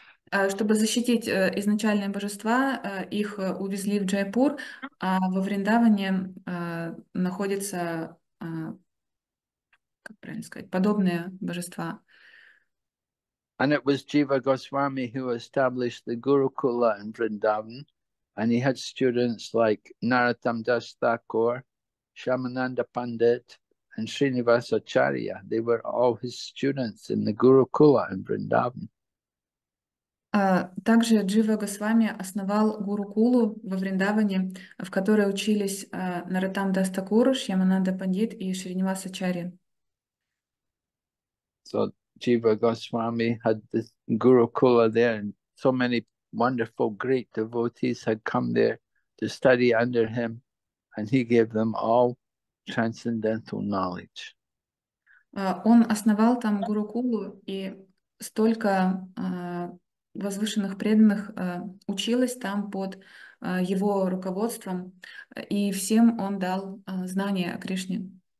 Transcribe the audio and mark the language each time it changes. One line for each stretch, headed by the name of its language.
Russian: Чтобы защитить изначальные божества, их увезли в Джайпур, а во Вриндаване находятся, как правильно сказать, подобные божества.
English: And it was Jiva Goswami who established the Gurukula in Vrindavan, and he had students like Narottam Das Thakur, Shamananda Pandit, and Srinivas Acharya. They were all his students in the Gurukula in Vrindavan.
Russian: Также Джива Госвами основал Гурукулу во Вриндаване, в которой учились Наратам Дас Такур, Шьямананда Пандит и Шринивас Ачарья.
English: So Jiva Goswami had this Gurukula there, and so many wonderful, great devotees had come there to study under him, and he gave them all transcendental knowledge.
Russian: Он основал там Гурукулу, и столько возвышенных преданных училось там под его руководством, и всем он дал знания о Кришне.